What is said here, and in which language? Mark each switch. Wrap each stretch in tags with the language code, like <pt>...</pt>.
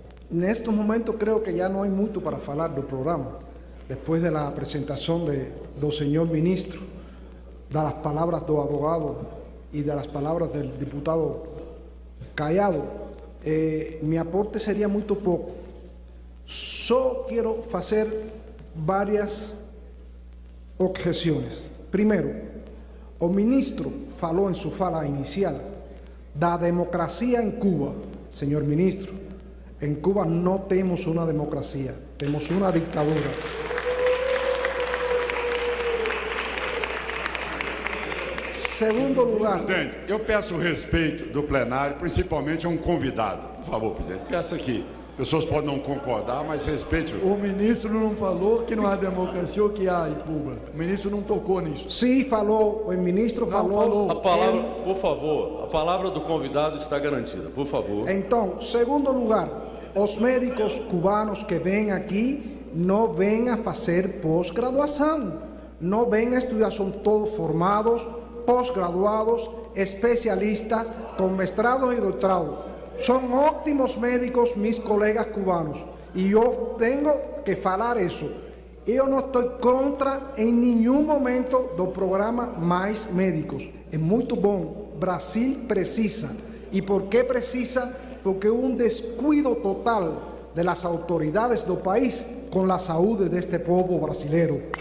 <pt>Neste momento, creio que já não há muito para falar do programa, depois da apresentação do senhor ministro, das palavras do advogado e das palavras do deputado Caiado, meu aporte seria muito pouco. Só quero fazer várias objeções. Primeiro, o ministro falou em sua fala inicial da democracia em Cuba, senhor ministro.</pt> <es>En Cuba no tenemos una democracia, tenemos una dictadura.</es> <pt>Segundo lugar... Presidente, yo peço respeito do plenário, principalmente a un convidado. Por favor, presidente, peça aqui. Pessoas podem não concordar, mas respeite. O ministro não falou que não há democracia ou que há em Cuba. O ministro não tocou nisso. Sim, falou. O ministro falou. Não, falou. A palavra, por favor, a palavra do convidado está garantida. Por favor. Então, segundo lugar, os médicos cubanos que vêm aqui não vêm a fazer pós-graduação. Não vêm a estudar, são todos formados, pós-graduados, especialistas, com mestrado e doutorado.</pt> <es>Son óptimos médicos mis colegas cubanos y yo tengo que falar eso. Yo no estoy contra en ningún momento del programa Más Médicos. Es muy bueno.</es> <pt>Brasil precisa.</pt> <es>¿Y por qué precisa? Porque hubo un descuido total de las autoridades del país con la salud de este pueblo brasileño.</es>